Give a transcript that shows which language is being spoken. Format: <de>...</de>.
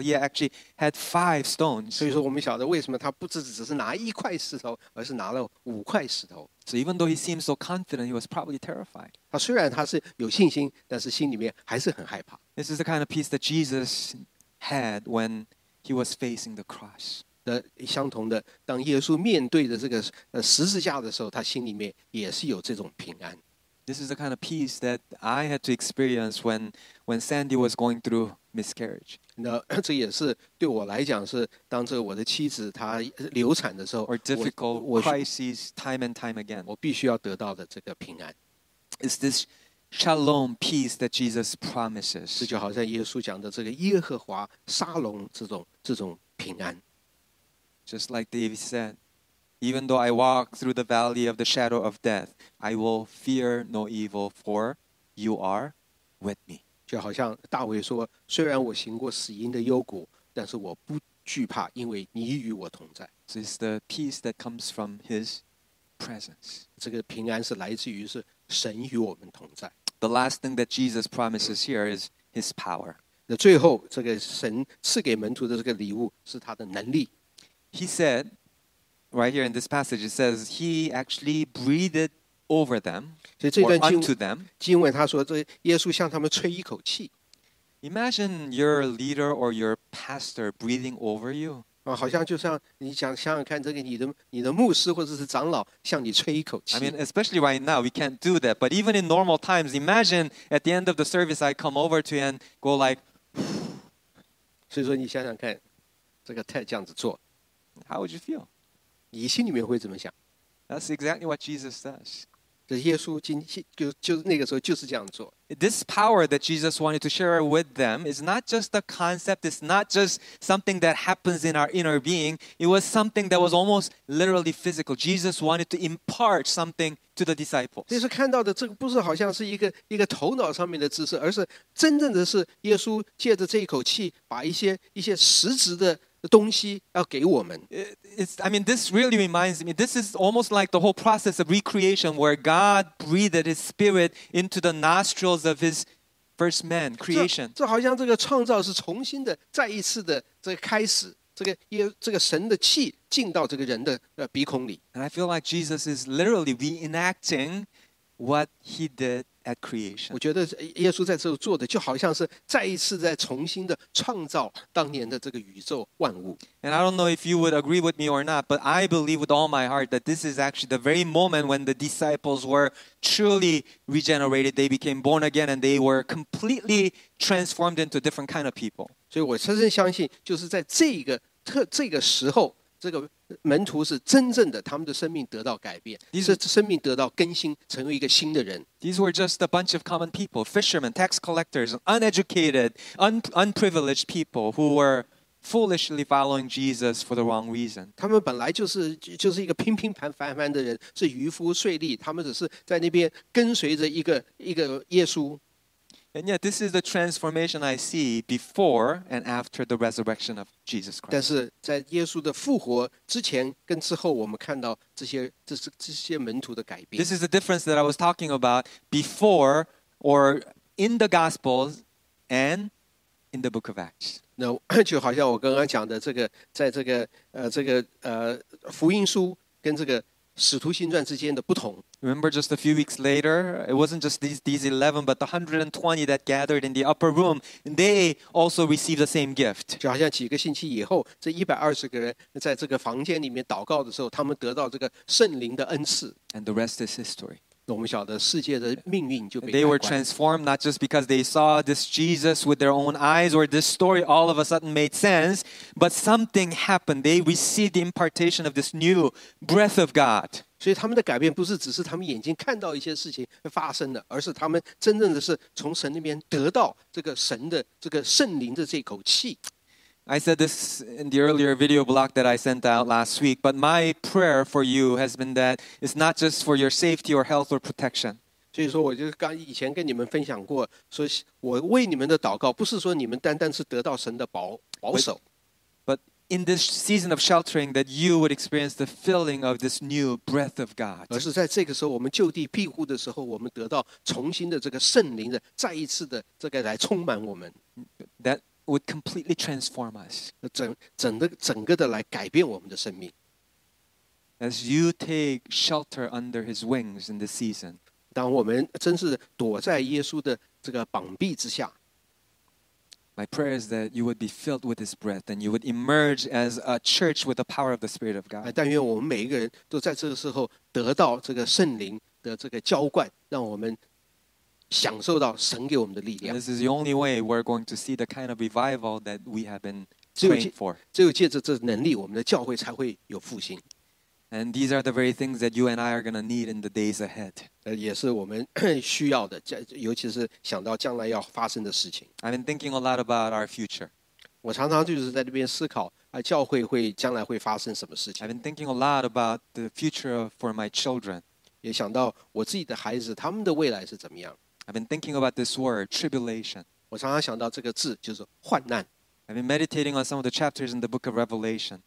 <en>He actually had five stones.</en> <zh>所以说我们晓得为什么他不只只是拿一块石头，而是拿了五块石头。</zh> <en>So even though he seemed so confident, he was probably terrified.</en> <zh>他虽然他是有信心，但是心里面还是很害怕。</zh> <en>This is the kind of peace that Jesus had when he was facing the cross.</en> <zh>的相同的，当耶稣面对着这个十字架的时候，他心里面也是有这种平安。</zh> <en>This is the kind of peace that I had to experience when Sandy was going through miscarriage.</en> <zh>那这也是对我来讲是当这我的妻子她流产的时候</zh> <en>，or difficult crises time and time again.</en> <zh>我必须要得到的这个平安。</zh> <en>It's this shalom peace that Jesus promises.</en> <zh>这就好像耶稣讲的这个耶和华沙龙这种平安。</zh> <en>Just like David said. Even though I walk through the valley of the shadow of death, I will fear no evil, for you are with me.</en> <zh>就好像大卫说，虽然我行过死荫的幽谷，但是我不惧怕，因为你与我同在。</zh> <en>So it's the peace that comes from his presence.</en> <zh>这个平安是来自于是神与我们同在。</zh> <en>The last thing that Jesus promises here is his power.</en> <zh>那最后，这个神赐给门徒的这个礼物是他的能力。</zh> <en>He said,Right here in this passage, it says he actually breathed over them or unto them.</en> <zh>经文他说这耶稣向他们吹一口气。</zh> <en>Imagine your leader or your pastor breathing over you.</en> <zh>好像就像你想想看这个你的牧师或者是长老向你吹一口气。</zh> <en>I mean, especially right now, we can't do that. But even in normal times, imagine at the end of the service, I come over to you and go like,</en> <zh>所以说你想想看这个太这样子做。</zh> <en>How would you feel?</en> <zh>你心里面会怎么想</zh> <en>That's exactly what Jesus does.</en> <zh>这耶稣就那个时候就是这样做。</zh> <en>This power that Jesus wanted to share with them is not just a concept, it's not just something that happens in our inner being, it was something that was almost literally physical. Jesus wanted to impart something to the disciples.</en> <zh>所以说看到的这个不是好像是一个头脑上面的知识，而是真正的是耶稣借着这一口气把一些实质的东西要给我们。</zh> <en>This really reminds me, this is almost like the whole process of recreation where God breathed his spirit into the nostrils of his first man, creation.</en> <zh>这好像这个创造是重新的再一次的这个开始，这个神的气进到这个人的鼻孔里。</zh> <en>And I feel like Jesus is literally reenacting what he did at creation.</en> <zh>我觉得耶稣在这里做的就好像是再一次在重新的创造当年的这个宇宙万物。</zh> <en>And I don't know if you would agree with me or not, but I believe with all my heart that this is actually the very moment when the disciples were truly regenerated. They became born again and they were completely transformed into a different kind of people.</en> <zh>所以我深深相信就是在这个时候这个门徒是真正的他们的生命得到改变是生命得到更新成为一个新的人</zh> <en>These were just a bunch of common people fishermen, tax collectors, uneducated unprivileged people who were foolishly following Jesus for the wrong reason</en> <zh>他们本来就是一个平平凡凡的人是渔夫税吏他们只是在那边跟随着一个耶稣</zh> <en>And yet this is the transformation I see before and after the resurrection of Jesus Christ</en> <zh>但是在耶稣的复活之前跟之后我们看到这些门徒的改变</zh> <en>This is the difference that I was talking about before or in the Gospels and in the book of Acts</en> <zh>那就好像我刚刚讲的这个在这个福音书跟这个使徒行传之间的不同</zh> <en>Remember just a few weeks later It wasn't just these 11 But the 120 that gathered in the upper room They also received the same gift</en> <zh>就好像几个星期以后这120个人在这个房间里面祷告的时候他们得到这个圣灵的恩赐</zh> <en>And the rest is history</en> <zh>我们晓得世界的命运就被改观</zh> <en>They were transformed not just because they saw this Jesus with their own eyes Or this story all of a sudden made sense But something happened They received the impartation of this new breath of God</en> <zh>所以他们的改变不是只是他们眼睛看到一些事情发生的而是他们真正的是从神那边得到这个神的这个圣灵的这口气</zh> <en>I said this in the earlier video blog that I sent out last week But my prayer for you has been that It's not just for your safety or health or protection</en> <zh>所以说我就刚以前跟你们分享过说我为你们的祷告不是说你们单单是得到神的保守</zh> <en>But in this season of sheltering that you would experience the filling of this new breath of God.</en> <zh>而是在这个时候我们就地庇护的时候我们得到重新的这个圣灵的再一次的这个来充满我们。</zh> <en>That would completely transform us.</en> <zh>整个的来改变我们的生命。</zh> <en>As you take shelter under his wings in this season,</en> <zh>当我们真是躲在耶稣的这个膀臂之下。</zh> <en>My prayer is that you would be filled with His breath and you would emerge as a church with the power of the Spirit of God.</en> <zh>但愿我们每一个人都在这个时候得到这个圣灵的这个浇灌，让我们享受到神给我们的力量。</zh> <en>This is the only way we're going to see the kind of revival that we have been praying for.</en> <zh>只有借着这能力，我们的教会才会有复兴。</zh> <en>And these are the very things that you and I are going to need in the days ahead.</en> <zh>也是我们需要的，尤其是想到将来要发生的事情。</zh> <en>I've been thinking a lot about our future.</en> <zh>我常常就是在这边思考，教会会将来会发生什么事情。</zh> <en>I've been thinking a lot about the future for my children.</en> <zh>也想到我自己的孩子，他们的未来是怎么样。</zh> <en>I've been thinking about this word, tribulation.</en> <zh>我常常想到这个字，就是患难。</zh> <en>I've been meditating on some of the chapters in the book of Revelation.</en>